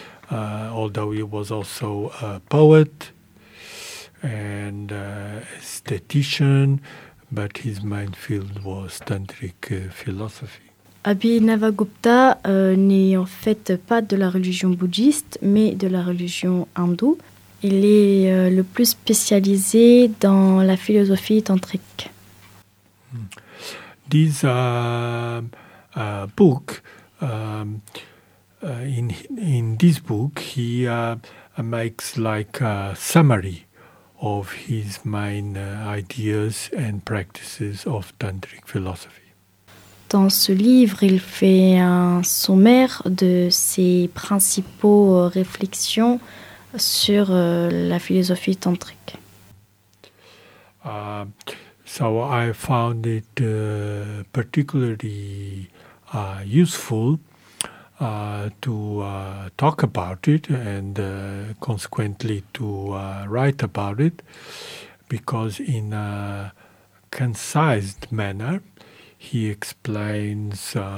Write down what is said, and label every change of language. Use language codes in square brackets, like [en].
[en] Although he was also a poet and aesthetician, but his main field was tantric philosophy. [fr] Abhinavagupta n'est en fait pas de la religion bouddhiste, mais de la religion hindoue. Il est le plus spécialisé dans la philosophie tantrique. [en] This book, in this book, he makes like a summary of his main ideas and practices of tantric philosophy. [fr] Dans ce livre, il fait un sommaire de ses principaux réflexions sur la philosophie tantrique. [en] So I found it particularly useful to talk about it and consequently to write about it, because in a concise manner he explains